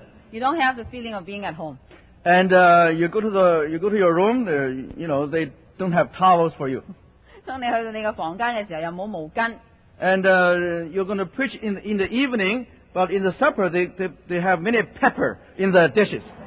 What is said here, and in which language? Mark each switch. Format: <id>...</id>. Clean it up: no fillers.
<en>You don't have the feeling of being at home. And you go to your room, you know, they don't have towels for you.</en> <zh>当你去到你的房间的时候又没有毛巾。</zh> <en>And you're going to preach in the evening, but in the supper they have many pepper in the dishes.</en>